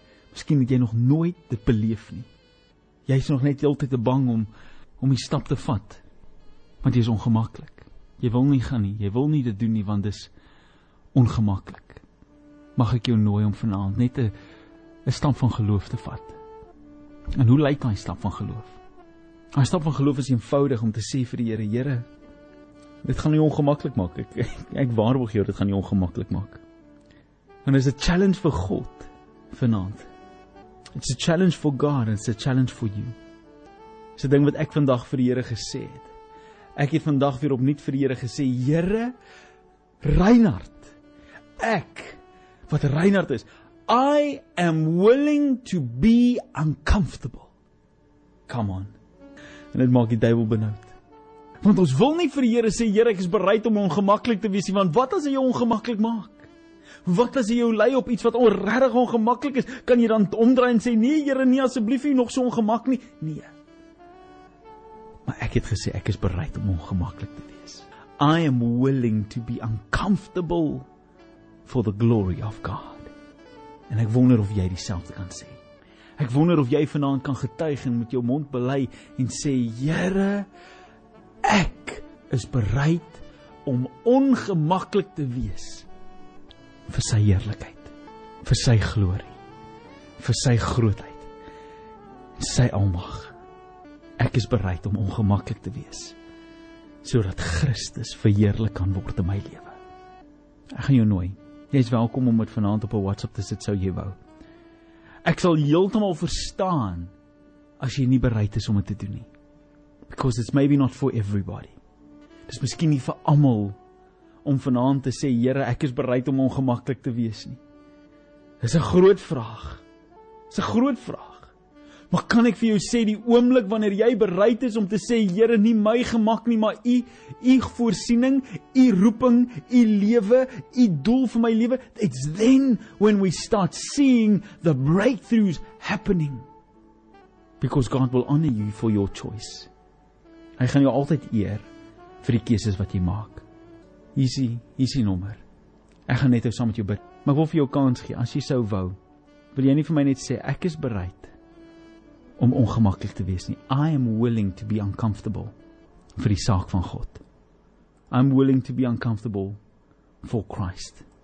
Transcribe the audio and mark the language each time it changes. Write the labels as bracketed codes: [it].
[af] Miskien het jy nog nooit dit beleef nie. Jy is nog net heeltyd te bang om die stap te vat. Want jy is ongemaklik. Jy wil nie gaan nie. Jy wil nie dit doen nie, want dis ongemaklik. Mag ek jou nooi om vanavond net 'n stap van geloof te vat. En hoe lyk daai stap van geloof? Daai stap van geloof is eenvoudig om te sê vir die Here, Here, dit gaan nie ongemaklik maak. Ek waarborg jou, dit gaan nie ongemaklik maak. En is 'n challenge vir God vanaand. [en] It's a challenge for God and it's a challenge for you. [af] Dis 'n ding wat ek vandag vir die Here gesê het. Ek het vandag weer opnuut vir die Here gesê, Here, Reinhard, ek, wat Reinhard is, [en] I am willing to be uncomfortable. Come on. [af] En dit maak die duiwel benoud. Want ons wil nie vir die Here sê, Here, ek is bereid om ongemaklik te wees nie, want wat as hy jou ongemaklik maak? Wat as hy jou lei op iets wat regtig ongemaklik is? Kan jy dan omdraai en sê, nee, Here, nie asseblief nie, nog so ongemak nie? Nee. Maar ek het gesê, ek is bereid om ongemaklik te wees. [en] I am willing to be uncomfortable for the glory of God. [af] En ek wonder of jy dieselfde kan sê. Ek wonder of jy vanaand kan getuig en met jou mond bely en sê, Here, ek is bereid om ongemaklik te wees vir sy heerlikheid, vir sy glorie, vir sy grootheid, sy almag. Ek is bereid om ongemaklik te wees, sodat Christus verheerlik kan word in my lewe. Ek gaan jou nooi. Jy is welkom om met vanaand op 'n WhatsApp te sit, sou jy wou. Ek sal heeltemal verstaan as jy nie bereid is om dit te doen nie. [en] Because it's maybe not for everybody. [af] Dis miskien nie vir almal om vanaand te sê, Here, ek is bereid om ongemaklik te wees nie. Dis 'n groot vraag. Dis 'n groot vraag. Maar kan ek vir jou sê, die oomblik wanneer jy bereid is om te sê, Here, nie my gemak nie, maar u voorsiening, u roeping, u lewe, u doel vir my lewe, [en] it's then when we start seeing the breakthroughs happening. Because God will honor you for your choice. [af] Hy gaan jou altyd eer vir die keuses wat jy maak. Hier is die nommer. Ek gaan net nou saam met jou bid, maar ek wil vir jou kans gee, as jy sou wou, wil jy nie vir my net sê, ek is bereid om ongemaklik te wees nie. [en] I am willing to be uncomfortable [af] vir die saak van God. [en] I'm willing to be uncomfortable for Christ.